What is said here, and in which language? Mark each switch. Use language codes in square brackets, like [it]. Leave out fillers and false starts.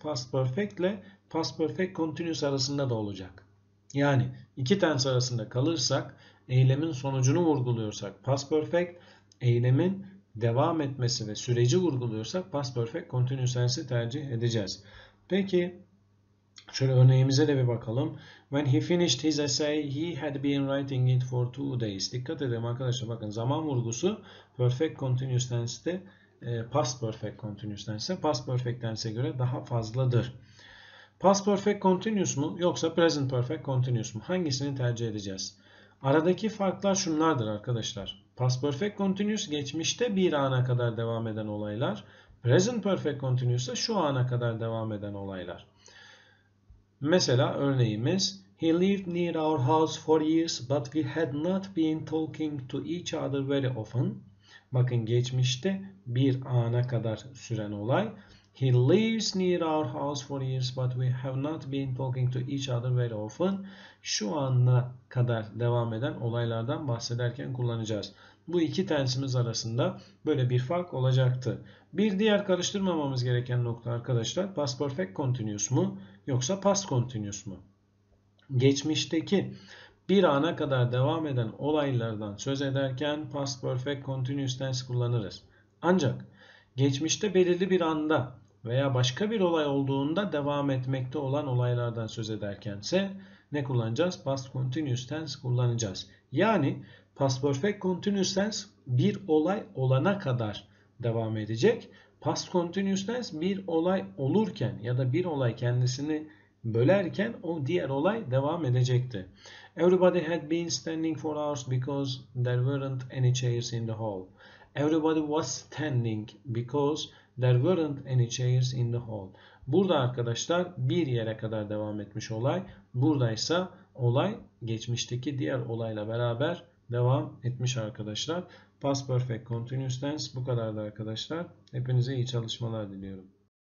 [tr] Past perfect ile past perfect continuous arasında da olacak. Yani iki tense arasında kalırsak, eylemin sonucunu vurguluyorsak past perfect, eylemin devam etmesi ve süreci vurguluyorsak past perfect continuous tense'i tercih edeceğiz. Peki şöyle örneğimize de bir bakalım. [en] When he finished his essay, he had been writing it for 2 days. [tr] Dikkat edelim arkadaşlar. Bakın zaman vurgusu perfect continuous tense'te, past perfect continuous tense'e, past perfect tense'e göre daha fazladır. Past perfect continuous mu yoksa present perfect continuous mu? Hangisini tercih edeceğiz? Aradaki farklar şunlardır arkadaşlar. Past perfect continuous geçmişte bir ana kadar devam eden olaylar. Present perfect continuous ise şu ana kadar devam eden olaylar. Mesela örneğimiz [en] he lived near our house for years but we had not been talking to each other very often. [tr] Bakın geçmişte bir ana kadar süren olay. [en] He lives near our house for years but we have not been talking to each other very often. [tr] Şu ana kadar devam eden olaylardan bahsederken kullanacağız. Bu iki tense'imiz arasında böyle bir fark olacaktı. Bir diğer karıştırmamamız gereken nokta arkadaşlar past perfect continuous mu yoksa past continuous mu? Geçmişteki bir ana kadar devam eden olaylardan söz ederken past perfect continuous tense kullanırız. Ancak geçmişte belirli bir anda veya başka bir olay olduğunda devam etmekte olan olaylardan söz ederkense ne kullanacağız? Past continuous tense kullanacağız. Yani past perfect continuous tense bir olay olana kadar devam edecek. Past continuous tense bir olay olurken ya da bir olay kendisini bölerken o diğer olay devam edecekti. [en] Everybody had been standing for hours because there weren't any chairs in the hall. Everybody was standing because there weren't any chairs in the hall. [tr] Burada arkadaşlar bir yere kadar devam etmiş olay. Buradaysa olay geçmişteki diğer olayla beraber devam etmiş arkadaşlar. Past Perfect Continuous Tense bu kadardı arkadaşlar. Hepinize iyi çalışmalar diliyorum.